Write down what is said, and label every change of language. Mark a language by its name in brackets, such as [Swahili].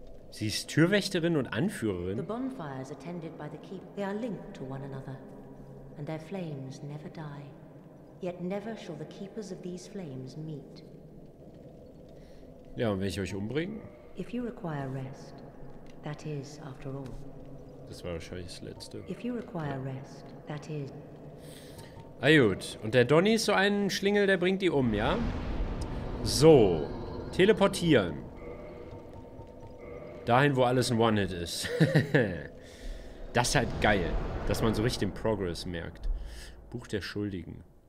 [German] Sie ist Türwächterin und Anführerin. [English] The bonfires attended by the keep, they are linked to one another, and their flames never die. Yet never shall the keepers of these flames meet. [German] Ja, und wenn ich euch umbringe? [English] If you require rest, that is, after all. [German] Das war wahrscheinlich das Letzte. [English] If you require rest, that is. [German] Na gut, und der Donny ist so ein Schlingel, der bringt die um, ja? So, teleportieren. Dahin, wo alles ein One-Hit ist. Das ist halt geil, dass man so richtig den Progress merkt. Buch der Schuldigen.